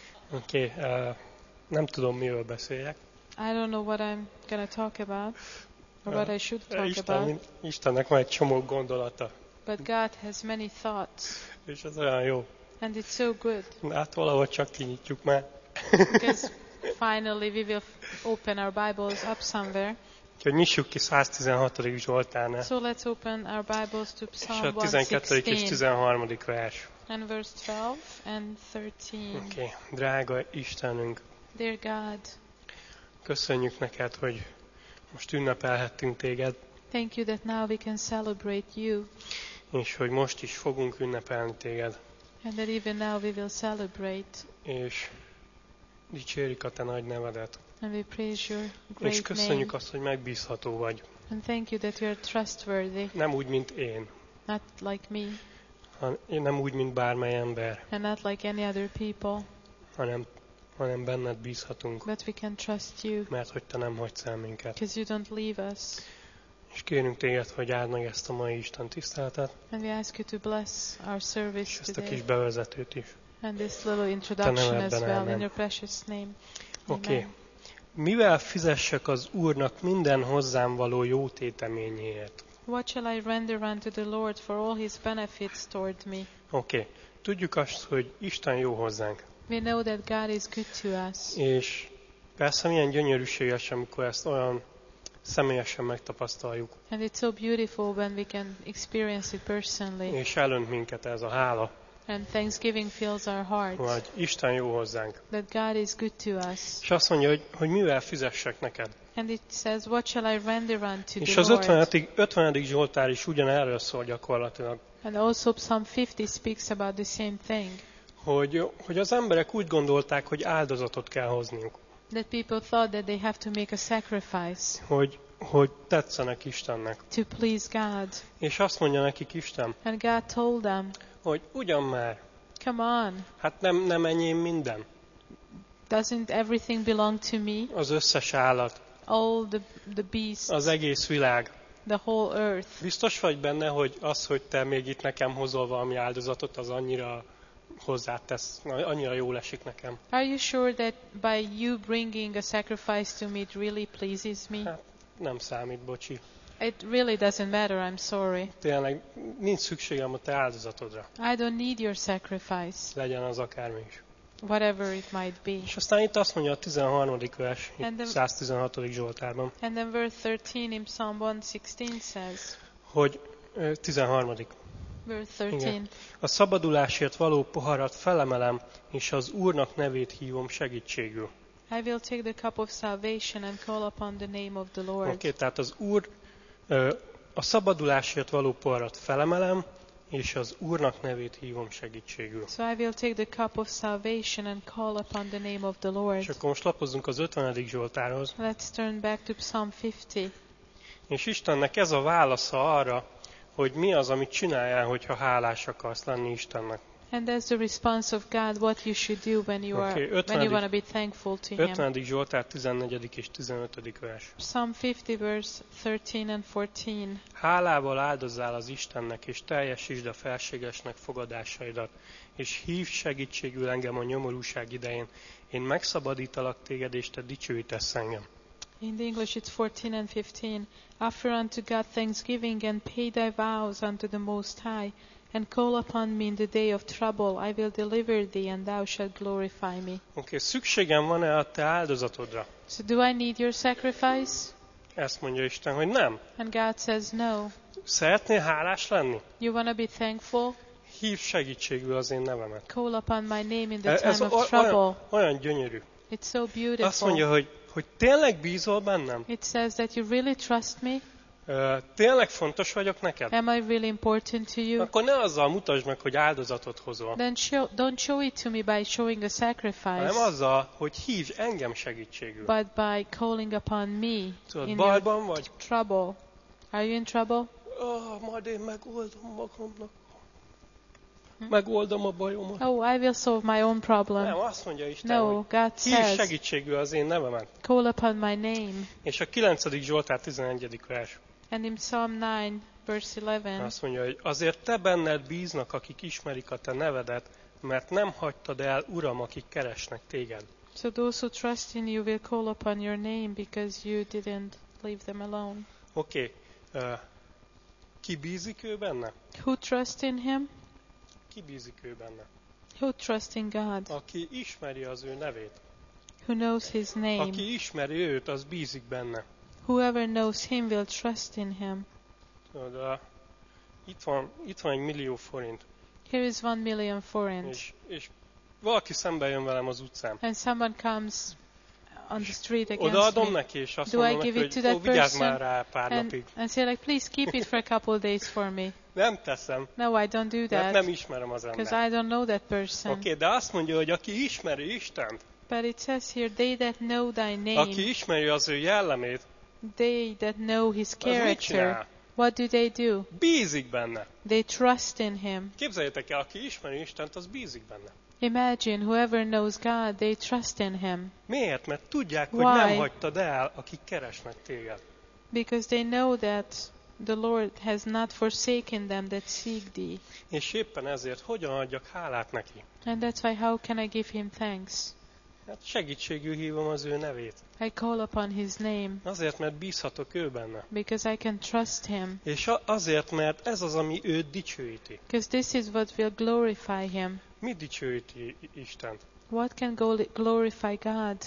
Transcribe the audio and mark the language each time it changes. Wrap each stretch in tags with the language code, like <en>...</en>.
<hu>Oké, nem tudom, miről beszéljek.</hu> <en>I don't know what I'm gonna talk about or what I should talk</en> <hu>Isten,</hu> <en>about.</en> <hu>Istennek van egy csomó gondolata.</hu> <en>But God has many thoughts.</en> <hu>És ez olyan jó.</hu> <en>And it's so good.</en> <hu>Hát valahogy csak kinyitjuk már.</hu> <en>Because finally we will open our Bibles up somewhere.</en> <hu>Úgyhogy nyissuk ki 116. Zsoltárnál.</hu> <en>So let's open our Bibles to Psalm 116.</en> <hu>És a 12. és 13. vers.</hu> <en>And verse 12 and 13.</en> <hu>Oké, drága Istenünk.</hu> <en>Dear God.</en> <hu>Köszönjük neked, hogy most ünnepelhettünk téged.</hu> <en>Thank you that now we can celebrate you.</en> <hu>És hogy most is fogunk ünnepelni téged.</hu> <en>And that even now we will celebrate.</en> <hu>És dicsérjük a te nagy nevedet.</hu> <en>And we praise your great name.</en> <hu>És köszönjük azt, hogy megbízható vagy.</hu> <en>And thank you that you are trustworthy.</en> <hu>Nem úgy, mint én.</hu> <en>Not like me.</en> <hu>Nem úgy, mint bármely ember.</hu> <en>And not like any other people.</en> <hu>Hanem benned bízhatunk.</hu> <en>But we can trust you.</en> <hu>Mert hogy te nem hagysz el minket.</hu> <en>Because you don't leave us.</en> <hu>És kérünk téged, hogy áld meg ezt a mai Isten tiszteletet.</hu> <en>And we ask you to bless our service</en> <hu>today. És ezt a kis bevezetőt is.</hu> <en>And this little introduction</en> <hu>te</hu> <en>as well elmen. In your precious name. Oké. Okay.</en> <hu>Mivel fizessek az Úrnak minden hozzám való jótéteményéért?</hu> <en>What shall I render unto the Lord for all his benefits toward me? Okay.</en> <hu>Tudjuk azt, hogy Isten jó hozzánk.</hu> <en>We know that God is good to us.</en> <hu>És persze milyen gyönyörűséges, amikor ezt olyan személyesen megtapasztaljuk.</hu> <en>And it's so beautiful when we can experience it personally.</en> <hu>És elönt minket ez a hála.</hu> <en>And thanksgiving fills our hearts.</en> <hu>Hogy Isten jó hozzánk.</hu> <en>That God is good to us.</en> <hu>És azt mondja, hogy mivel fizessek neked.</hu> <en>And it says, what shall I render unto the Lord?</en> <hu>És az 50. Zsoltár is ugyanerről szól gyakorlatilag.</hu> <en>And also Psalm 50 speaks about the same thing.</en> <hu>Hogy az emberek úgy gondolták, hogy áldozatot kell hozniuk.</hu> <en>That people thought that they have to make a sacrifice.</en> <hu>Hogy tetszenek Istennek.</hu> <en>To please God.</en> <hu>És azt mondja nekik Isten.</hu> <en>And God told them.</en> <hu>Hogy ugyan már.</hu> <en>Come on.</en> <hu>Hát nem enyém minden.</hu> <en>Doesn't everything belong to me?</en> <hu>Az összes állat.</hu> <en>All the beasts.</en> <hu>Az egész világ.</hu> <en>The whole earth.</en> <hu>Biztos vagy benne, hogy az, hogy te még itt nekem hozol valami áldozatot, az annyira hozzátesz, annyira jól esik nekem.</hu> <en>Are you sure that by you bringing a sacrifice to me it really pleases me?</en> <hu>Hát, nem számít, bocsi.</hu> <en>It really doesn't matter, I'm sorry.</en> <hu>Tényleg, nincs szükségem a te áldozatodra.</hu> <en>I don't need your sacrifice.</en> <hu>Legyen az akármi is.</hu> <en>Whatever it might be.</en> <hu>És aztán itt azt mondja a 13. vers, 116. Zsoltárban.</hu> <en>And then verse 13 in Psalm 116 says.</en> <hu>Hogy 13.</hu> <en>Verse 13.</en> <hu>Igen. A szabadulásért való poharat felemelem, és az Úrnak nevét hívom segítségül.</hu> <en>I will take the cup of salvation and call upon the name of the Lord.</en> <hu>Oké, tehát az Úr a szabadulásért való poharat felemelem, és az Úrnak nevét hívom segítségül.</hu> <en>So I will take the cup of salvation and call upon the name of the Lord.</en> <hu>És akkor most lapozzunk az 50. Zsoltárhoz.</hu> <en>Let's turn back to Psalm 50.</en> <hu>És Istennek ez a válasza arra, hogy mi az, amit csináljál, hogyha hálás akarsz lenni Istennek.</hu> <en>And that's the response of God, what you should do when you are, when you want to be thankful to him.</en> <hu>50. Zsoltár 14. és 15. vers.</hu> <en>Psalm 50 verse 13 and 14.</en> <hu>Hálával áldozzál az Istennek, és teljesítsd a felségesnek fogadásaidat, és hív segítségül engem a nyomorúság idején. Én megszabadítalak téged, és te dicsőítesz engem.</hu> <en>In the English it's 14 and 15. Offer unto God thanksgiving and pay thy vows unto the Most High. And call upon me in the day of trouble. I will deliver thee, and thou shalt glorify me.</en> <hu>Okay, szükségem van-e a te áldozatodra?</hu> <en>So do I need your sacrifice?</en> <hu>Ezt mondja Isten, hogy nem.</hu> <en>And God says no.</en> <hu>Szeretnél hálás lenni?</hu> <en>You want to be thankful?</en> <hu>Hív segítségül az én nevemet.</hu> <en>Call upon my name in the time of trouble.</en> <hu>Olyan gyönyörű.</hu> <en>It's so beautiful.</en> <hu>Azt mondja, hogy tényleg bízol bennem?</hu> <en>It says that you really trust me.</en> <hu>Tényleg fontos vagyok neked?</hu> <en>Am I really important to you?</en> <hu>Akkor ne azzal mutasd meg, hogy áldozatot hozol.</hu> <en>Then don't show it to me by showing a sacrifice.</en> <hu>Hanem azzal, hogy hív engem segítségül.</hu> <en>But by calling upon me.</en> <hu>Tudod, bajban vagy?</hu> <en>Trouble. Are you in trouble?</en> <hu>Oh, majd én megoldom magamnak. Megoldom a bajomat.</hu> <en>Oh, I will solve my own problem.</en> <hu>Nem, azt mondja Isten,</hu> <en>no,</en> <hu>hogy</hu> <en>God</en> <hu>hív</hu> <en>says,</en> <hu>segítségül az én nevemet.</hu> <en>Call upon my name.</en> <hu>És a 9. Zsoltár 11. vers.</hu> <en>And in Psalm 9, verse 11.</en> <hu>Azt mondja, hogy azért te benned bíznak, akik ismerik a te nevedet, mert nem hagytad el, Uram, akik keresnek téged.</hu> <en>So those who trust in you will call upon your name because you didn't leave them alone.</en> <hu>Okay. Ki bízik ő benne?</hu> <en>Who trust in him?</en> <hu>Ki bízik ő benne?</hu> <en>Who trust in God?</en> <hu>Aki ismeri az ő nevét.</hu> <en>Who knows his name?</en> <hu>Aki ismeri őt, az bízik benne.</hu> <en>Whoever knows him will trust in him.</en> <hu>De itt van egy millió forint.</hu> <en>Here is 1 million forint.</en> <hu>És valaki szembe jön velem az utcán.</hu> <en>And someone comes on the street against me.</en> <hu>Odaadom neki, és azt mondom neki, hogy ó, vigyázz már rá pár napig.</hu> <en>And say like, please keep it for a couple of days for me.</en> <hu>Nem teszem.</hu> <en>No, I don't do that.</en> <hu>Mert nem ismerem az embert.</hu> <en>Because I don't know that person.</en> <hu>Okay, de azt mondja, hogy aki ismeri Istent.</hu> <en>But it says here, they that know thy name.</en> <hu>Aki ismeri az ő jellemét.</hu> <en>They that know his character. What do they do?</en> <hu>Bízik benne.</hu> <en>They trust in him.</en> <hu>Képzeljétek el, aki ismeri Istent, az bízik benne.</hu> <en>Imagine whoever knows God, they trust in him.</en> <hu>Miért? Mert tudják,</hu> <en>Why?</en> <hu>Hogy nem hagytad el, akik keresnek téged.</hu> <en>Because they know that the Lord has not forsaken them that seek thee.</en> <hu>És éppen ezért hogyan adjak hálát neki?</hu> <en>And that's why how can I give him thanks?</en> <hu>Hát segítségül hívom az ő nevét.</hu> <en>I call upon his name.</en> <hu>Azért, mert bízhatok ő benne.</hu> <en>Because I can trust him.</en> <hu>És azért, mert ez az, ami őt dicsőíti.</hu> <en>Because this is what will glorify him.</en> <hu>Mi dicsőíti Istent?</hu> <en>What can glorify God?</en>